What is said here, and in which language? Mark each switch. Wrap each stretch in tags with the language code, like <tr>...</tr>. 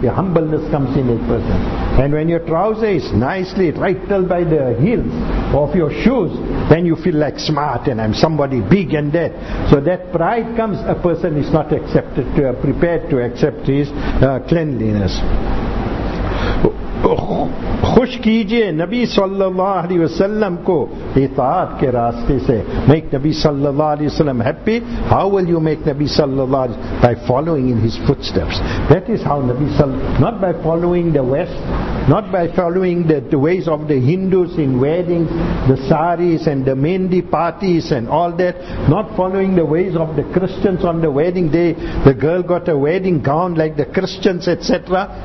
<en>The humbleness comes in a person. And when your trouser is nicely right till by the heels of your shoes, then you feel like smart and I'm somebody big and that. So that pride comes, a person is not prepared to accept his cleanliness.</en> <ur>خوش کیجئے نبی صلی اللہ علیہ وسلم کو اطاعت کے راستے سے.</ur> <en>Make نبی صلی اللہ علیہ وسلم happy. How will you make نبی صلی اللہ علیہ وسلم? By following in his footsteps. That is how نبی صلی اللہ علیہ وسلم, not by following the West, not by following the ways of the Hindus in weddings, the saris and the mehndi parties and all that, not following the ways of the Christians on the wedding day, the girl got a wedding gown like the Christians, etc.</en>